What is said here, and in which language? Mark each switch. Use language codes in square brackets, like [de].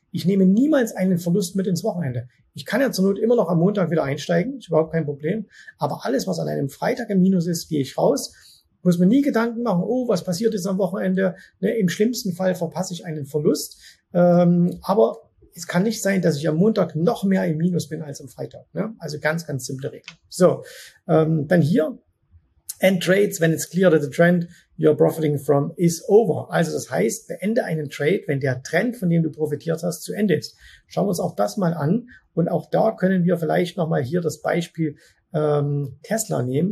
[de] Ich nehme niemals einen Verlust mit ins Wochenende. Ich kann ja zur Not immer noch am Montag wieder einsteigen, ist überhaupt kein Problem. Aber alles, was an einem Freitag im Minus ist, gehe ich raus. Muss mir nie Gedanken machen, oh, was passiert jetzt am Wochenende? Ne, im schlimmsten Fall verpasse ich einen Verlust. Aber es kann nicht sein, dass ich am Montag noch mehr im Minus bin als am Freitag. Ne? Also ganz, ganz simple Regel. So, dann hier, [en] end trades when it's clear that the trend you're profiting from is over. [de] Also das heißt, beende einen Trade, wenn der Trend, von dem du profitiert hast, zu Ende ist. Schauen wir uns auch das mal an. Und auch da können wir vielleicht nochmal hier das Beispiel Tesla nehmen.